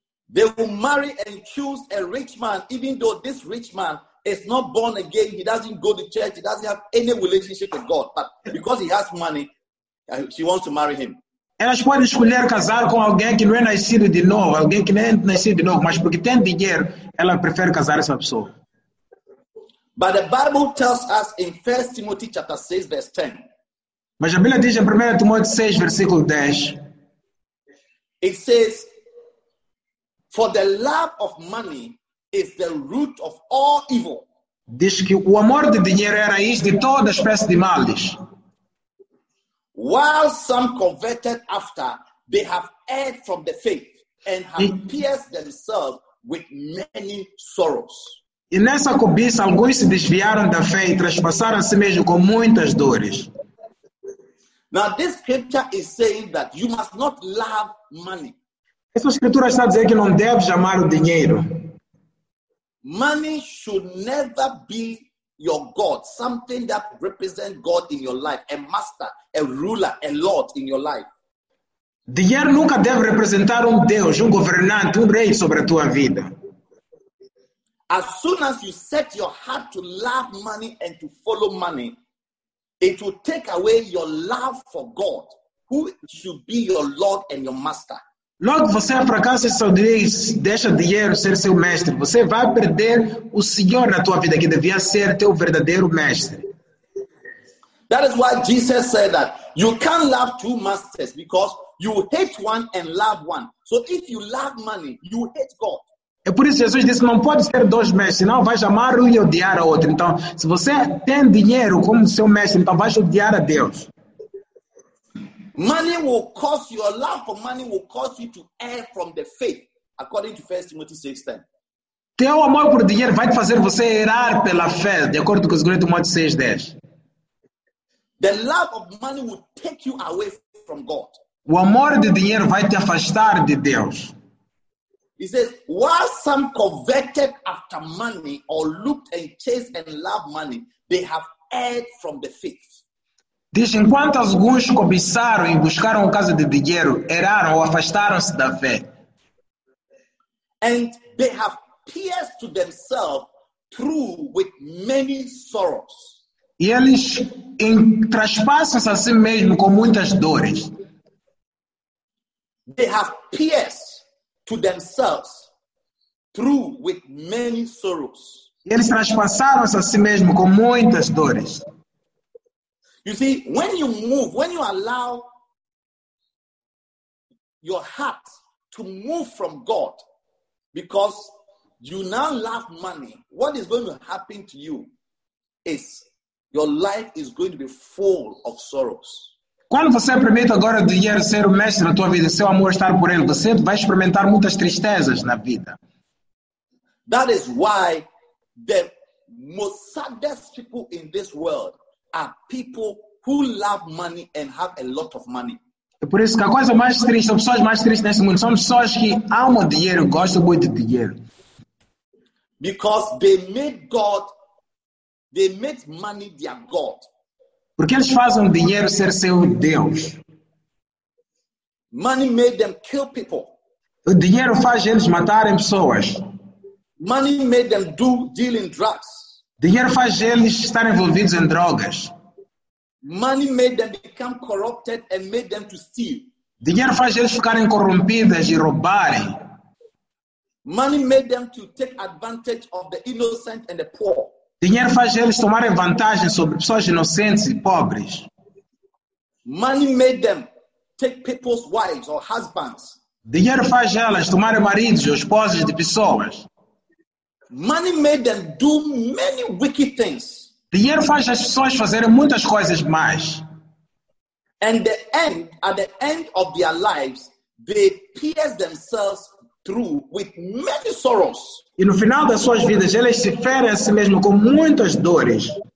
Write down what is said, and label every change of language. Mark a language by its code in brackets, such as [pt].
[en] They will marry and choose a rich man, even though this rich man is not born again, he doesn't go to church, he doesn't have any relationship with God. But because he has money, she wants to marry him. [pt] Elas podem escolher casar com alguém que não é nascido de novo, alguém que nem é nascido de novo, mas porque tem dinheiro, ela prefere casar essa pessoa. [en] But the Bible tells us in 1 Timothy chapter 6, verse 10. [pt] Mas a Bíblia diz em 1 Timóteo 6, versículo 10. [en] It says, for the love of money is the root of all evil. [pt] Diz que o amor de dinheiro é a raiz de toda espécie de males. [en] While some converted after they have erred from the faith and have pierced themselves with many sorrows. [pt] E nessa cobiça, alguns se desviaram da fé e traspassaram a si mesmo com muitas dores. [en] Now, this scripture is saying that you must not love money. [pt] Essa escritura está dizendo que não deve amar o dinheiro. [en] Money should never be your God, something that represents God in your life, a master, a ruler, a lord in your life. [pt] Dinheiro nunca deve representar Deus, governante, rei sobre a tua vida. [en] As soon as you set your heart to love money and to follow money, it will take away your love for God, who should be your Lord and your master. [pt] Logo você fracassa e só diz, deixa dinheiro ser seu mestre. Você vai perder o Senhor na tua vida, que devia ser teu verdadeiro mestre. [en] That is why Jesus said that you can't love two masters because you hate one and love one. So if you love money, you hate God. [pt] É por isso que Jesus disse, não pode ser dois mestres, senão vais amar um e odiar a outro. Então, se você tem dinheiro como seu mestre, então vais odiar a Deus. [en] Money will cause your love for money will cause you to err from the faith, according to 1 Timothy 6:10. [pt] Teu amor por dinheiro vai te fazer você errar pela fé, de acordo com 2 Timóteo 6:10. [en] The love of money will take you away from God. [pt] O amor de dinheiro vai te afastar de Deus. [en] He says, while some coveted after money or looked and chased and loved money, they have erred from the faith. [pt] Diz, enquanto alguns cobiçaram e buscaram casa de dinheiro, erraram ou afastaram-se da fé. [en] And they have pierced to themselves through with many sorrows. [pt] E eles traspassam-se a si mesmo com muitas dores. [en] They have pierced to themselves through with many sorrows. [pt] Eles traspassaram-se a si mesmo com muitas dores. [en] You see, when you move, when you allow your heart to move from God because you now love money, what is going to happen to you is your life is going to be full of sorrows. [pt] Quando você permite agora o dinheiro ser o mestre na tua vida, seu amor estar por ele, você vai experimentar muitas tristezas na vida. [en] That is why the most saddest people in this world are people who love money and have a lot of money. [pt] É por isso que a coisa mais triste, são pessoas mais tristes nesse mundo, são pessoas que amam dinheiro, gostam muito de dinheiro. [en] Because they made God, they made money their God. [pt] Porque eles fazem o dinheiro ser seu Deus. [en] Money made them kill people. [pt] O dinheiro faz eles matarem pessoas. [en] Money made them deal in drugs. [pt] Dinheiro faz eles estar envolvidos em drogas. [en] Money made them become corrupted and made them to steal. [pt] Dinheiro faz eles ficarem corrompidas e roubarem. [en] Money made them to take advantage of the innocent and the poor. [pt] Dinheiro faz eles tomarem vantagem sobre pessoas inocentes e pobres. [en] Money made them take people's wives or husbands. [pt] Dinheiro faz elas tomarem maridos ou esposas de pessoas. [en] Money made them do many wicked things. [pt] Dinheiro faz as pessoas fazerem muitas coisas más. [en] And the end, at the end of their lives, they pierce themselves through with many sorrows. [pt] E no final das suas vidas, eles se ferem a si mesmo com muitas dores.